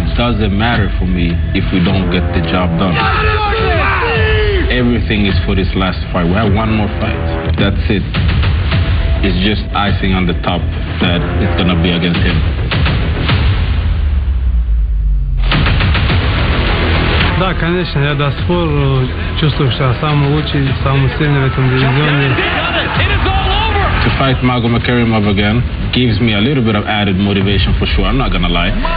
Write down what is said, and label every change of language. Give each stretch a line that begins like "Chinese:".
English: It doesn't matter for me if we don't get the job done. Everything is for this last fight. We have one more fight. That's it. It's just icing on the top that it's gonna be against him.
Russian: Да, конечно, я до сих пор чувствую, что я самый лучший, самый сильный в этом дивизионе.
English: To fight Magomed Karimov again gives me a little bit of added motivation for sure, I'm not gonna lie.